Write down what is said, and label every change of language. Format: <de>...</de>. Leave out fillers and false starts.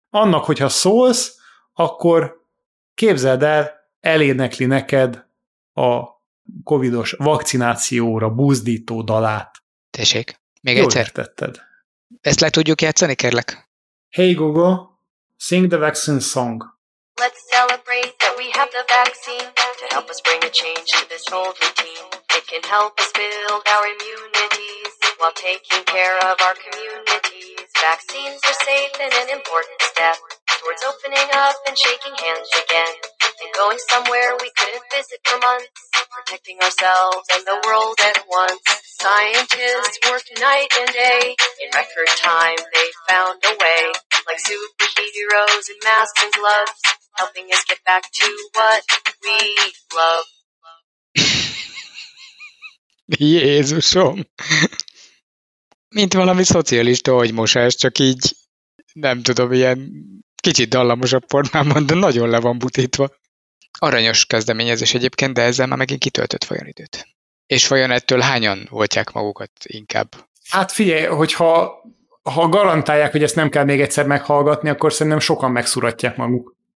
<hu>Annak, hogyha szólsz, akkor képzeld el, elénekli neked a covidos vakcinációra buzdító dalát. Tessék, még jó egyszer. Jól értetted. Ezt le tudjuk játszani, kérlek.</hu> <en>Hey Google, sing the vaccine song. Let's celebrate that we have the vaccine to help us bring a change to this old routine. It can help us build our immunities while taking care of our communities. Vaccines are safe and an important step towards opening up and shaking hands again and going somewhere we couldn't visit for months, protecting ourselves and the world at once. Scientists work night and day. In record time, they found a way, like superheroes in masks and gloves, helping us get back to what we love.</en> <hu>Jézusom! Mint valami szocialista agymosás, csak így, nem tudom, ilyen kicsit dallamosabb formában, de nagyon le van butítva. Aranyos kezdeményezés egyébként, de ezzel már megint kitöltött vajon időt. És vajon ettől hányan oltják magukat inkább? Hát figyelj, hogyha garantálják, hogy ezt nem kell még egyszer meghallgatni, akkor szerintem sokan megszuratják maguk.</hu>